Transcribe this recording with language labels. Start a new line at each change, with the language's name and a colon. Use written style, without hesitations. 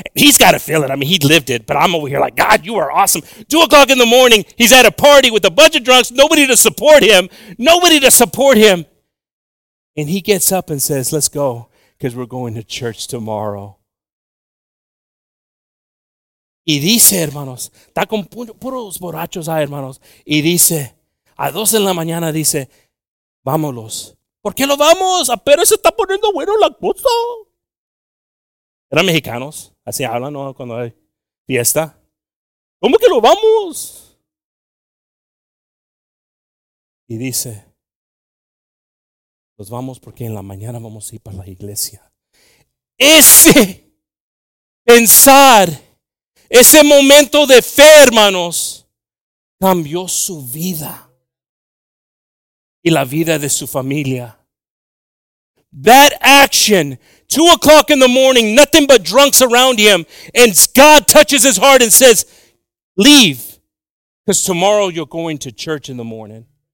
English: He's got to feel it. I mean, he lived it, but I'm over here like, God, you are awesome. 2 o'clock in the morning, he's at a party with a bunch of drunks, nobody to support him. And he gets up and says, let's go, because we're going to church tomorrow.
Spanish: Y dice, hermanos, está con puros borrachos ahí, hermanos. Y dice, a 2 de la mañana, dice, vámonos. ¿Por qué lo vamos? Pero se está poniendo bueno la cosa. Eran mexicanos. Así hablan, ¿no? Cuando hay fiesta. ¿Cómo que lo vamos? Y dice, nos vamos porque en la mañana vamos a ir para la iglesia. Ese pensar, ese momento de fe, hermanos, cambió su vida y la vida de su familia.
English: That action, 2 o'clock in the morning, nothing but drunks around him, and God touches his heart and says, leave, because tomorrow you're going to church in the morning.